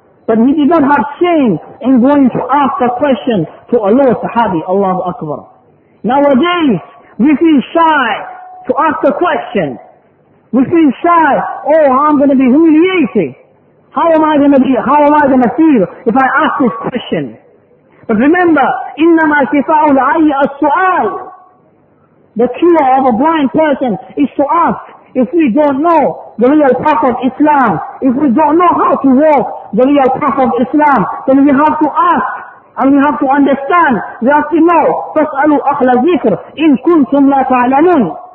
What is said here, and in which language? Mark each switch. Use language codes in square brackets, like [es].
[en] But he did not have shame in going to ask a question to a lower Sahabi, Allahu Akbar. Nowadays, we feel shy to ask a question. We feel shy. Oh, I'm going to be humiliated. How am I going to feel if I ask this question? But remember, [ar] إِنَّمَا شِفَاءُ الْعَيِّ السُّؤَالُ. [en] The cure of a blind person is to ask. If we don't know the real path of Islam, if we don't know how to walk the real path of Islam, then we have to ask. And we have to understand. We have to know. [ar] فَاسْأَلُوا أَخْلَ الذِّكْرِ إِن كُنْتُمْ لَا تَعْلَمُونَ.